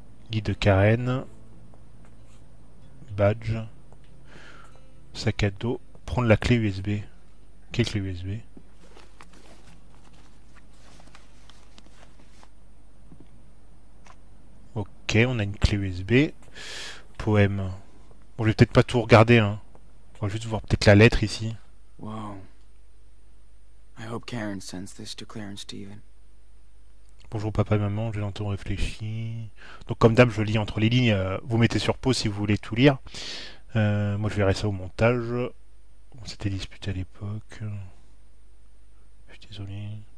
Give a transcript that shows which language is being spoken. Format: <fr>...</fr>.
<fr>Guide de Karen. Badge. Sac à dos. Prendre la clé USB. Quelle clé USB? Ok, on a une clé USB. Poème. Bon, je vais peut-être pas tout regarder, hein. On va juste voir peut-être la lettre ici.</fr> <en>Wow. I hope Karen sends this to Claire and Steven.</en> <fr>Bonjour papa et maman, j'ai longtemps réfléchi. Donc comme d'hab, je lis entre les lignes. Vous mettez sur pause si vous voulez tout lire. Moi, je verrai ça au montage. On s'était disputé à l'époque. Je suis désolé.</fr>